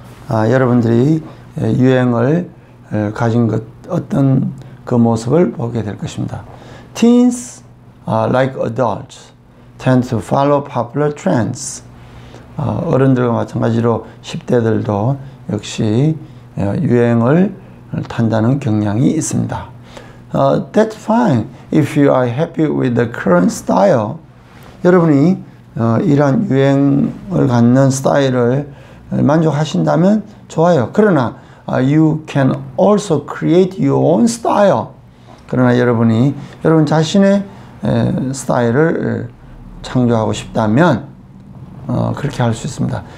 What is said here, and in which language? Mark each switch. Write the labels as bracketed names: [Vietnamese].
[Korean] 여러분들이 유행을 가진 것, 어떤 그 모습을 보게 될 것입니다. [English] Teens, like adults, tend to follow popular trends. [Korean] 어른들과 마찬가지로 10대들도 역시 유행을 탄다는 경향이 있습니다. [English] That's fine if you are happy with the current style. [Korean] 여러분이 이러한 유행을 갖는 스타일을 만족하신다면 좋아요. [English] 그러나 you can also create your own style. [Korean] 그러나 여러분이 여러분 자신의 스타일을 창조하고 싶다면 그렇게 할수 있습니다.